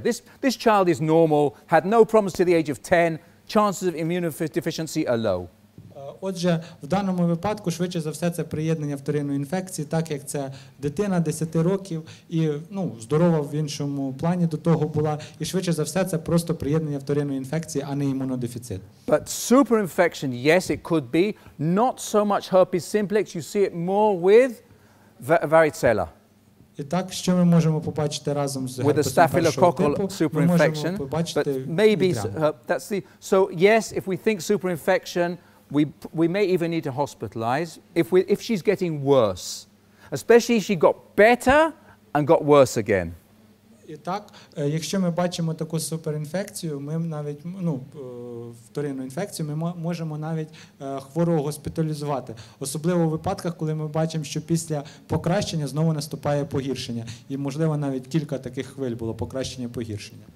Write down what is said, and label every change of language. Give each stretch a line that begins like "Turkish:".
English: This child is normal, had no problems to the age of 10, chances of immunodeficiency are low.
Ukrainian: Отже, в даному випадку, швидше за все, це приєднання вторинної інфекції, так як це дитина 10 років і, ну, здорова в іншому плані до того була, і швидше за все, це просто приєднання вторинної інфекції, а не імунодефіцит.
English: But super infection, yes, it could be. Not so much herpes simplex, you see it more with varicella.
Ukrainian: І так, що ми можемо побачити разом з
English: with
Ukrainian: herpes першого типу,
English: super infection,
Ukrainian: ми можемо побачити
English: maybe, that's the, so yes, if we think super infection, We may even need to hospitalize if she's getting worse, especially if she got better and got worse again.
Ukrainian: І так, якщо ми бачимо таку суперінфекцію, ми навіть, ну, вторинну інфекцію, ми можемо навіть хворого госпіталізувати. Особливо у випадках, коли ми бачимо, що після покращення знову наступає погіршення. І, можливо, навіть кілька таких хвиль було покращення-погіршення.